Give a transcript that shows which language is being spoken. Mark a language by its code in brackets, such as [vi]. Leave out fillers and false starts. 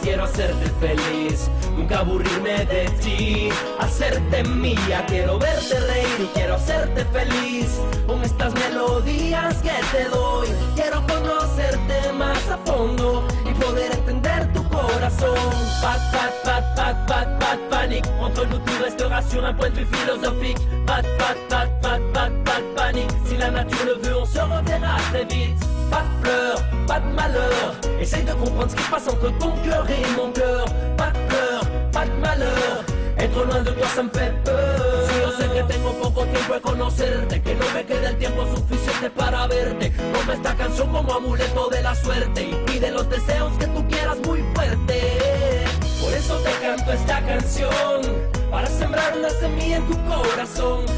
[es] Quiero hacerte feliz, nunca aburrirme de ti, hacerte mía. Quiero verte reír y quiero hacerte feliz con estas melodías que te doy. Quiero conocerte más a fondo y poder entender tu corazón. Pat, pat, pat, pat, pat, pat, panic. [fr] Entre nous tout restera sur un point de vue philosophique. Pat, pat, pat, pat, pat, pat, panic. Si la nature le veut, on se reverra très vite. Pas de pleurs, pas de malheur. Essaye de comprendre ce qui se passe entre ton cœur et mon cœur. Pas de pleurs, pas de malheur. Être loin de toi, ça me fait peur. [es] Si yo sé que tengo poco tiempo de conocerte, que no me quede el tiempo suficiente para verte. Toma esta canción como amuleto de la suerte y pide los deseos que tú quieras muy fuerte. Por eso te canto esta canción, para sembrar una semilla en tu corazón.